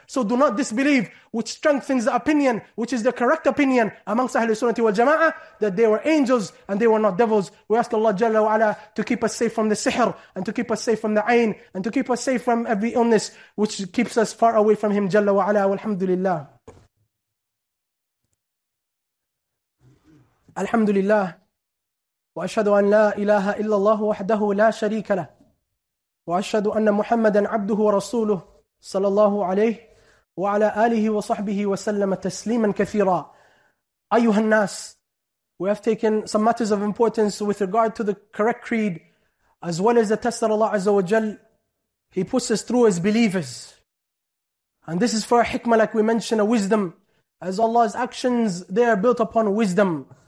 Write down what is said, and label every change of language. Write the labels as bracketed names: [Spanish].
[English] So do not disbelieve, which strengthens the opinion, which is the correct opinion amongst Ahlul Sunnah wal Jama'ah, that they were angels and they were not devils. We ask Allah Jalla wa Ala to keep us safe from the sihr, and to keep us safe from the ayn, and to keep us safe from every illness, which keeps us far away from Him Jalla wa Ala. [Arabic] Walhamdulillah. الحمد لله وأشهد أن لا إله إلا الله وحده لا شريك له وأشهد أن محمدًا عبده ورسوله صلى الله عليه وعلى آله وصحبه وسلم تسليمًا كثيرًا. أيها الناس, [English] we have taken some matters of importance with regard to the correct creed, as well as the test that Allah Azza wa Jal, He puts us through as believers. And this is for a hikmah, like we mentioned, a wisdom, as Allah's actions, they are built upon wisdom.